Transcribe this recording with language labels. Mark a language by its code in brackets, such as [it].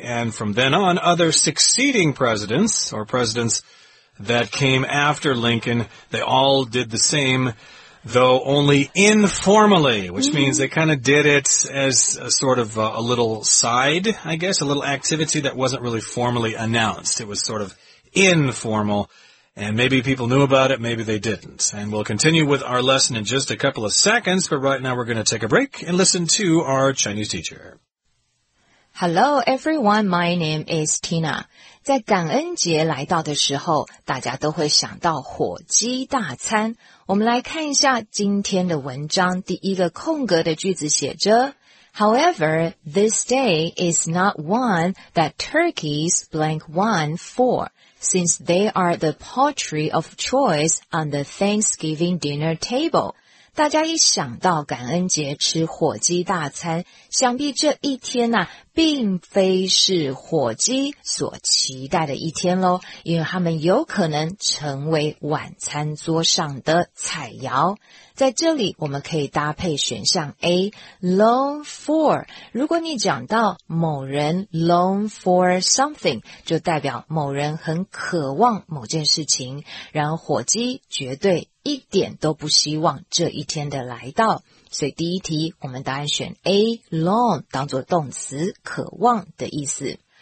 [en] And from then on, other succeeding presidents, or presidents that came after Lincoln, they all did the same, though only informally, which means they kind of did it as a sort of a little side, I guess, a little activity that wasn't really formally announced. It was sort of informal, and maybe people knew about it, maybe they didn't. And we'll continue with our lesson in just a couple of seconds, but right now we're going to take a break and listen to our Chinese teacher. Hello, everyone. My name is Tina. [zh] 在感恩节来到的时候，大家都会想到火鸡大餐。我们来看一下今天的文章，第一个空格的句子写着 [en] However, this day is not one that turkeys blank one for, since they are the poultry of choice on the Thanksgiving dinner table. [zh] 大家一想到感恩节吃火鸡大餐，想必这一天呢、并非是火鸡所期待的一天咯，因为他们有可能成为晚餐桌上的菜肴。在这里我们可以搭配选项 A, long for, 如果你讲到某人 [en] long for something, [zh] 就代表某人很渴望某件事情，然后火鸡绝对一点都不希望这一天的来到，所以第一题我们答案选 A, long, 当作动词渴望的意思。